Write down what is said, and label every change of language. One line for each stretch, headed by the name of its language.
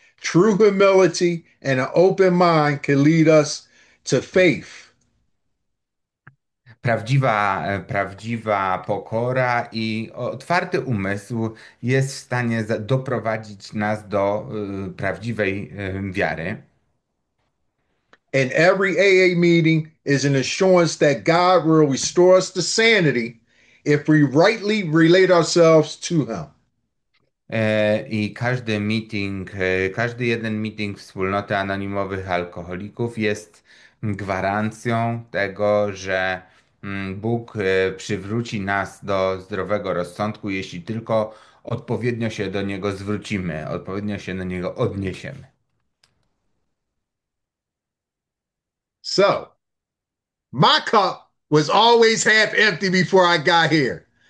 English: True humility and an open mind can lead us to faith.
Polish: Prawdziwa pokora i otwarty umysł jest w stanie doprowadzić nas do prawdziwej wiary.
English: And every AA meeting is an assurance that God will restore us to sanity if we rightly relate ourselves to Him.
Polish: I każdy meeting, każdy jeden meeting wspólnoty anonimowych alkoholików jest gwarancją tego, że Bóg przywróci nas do zdrowego rozsądku, jeśli tylko odpowiednio się do niego zwrócimy, odpowiednio się do niego odniesiemy.
English: So, my cup was always half empty before I got here.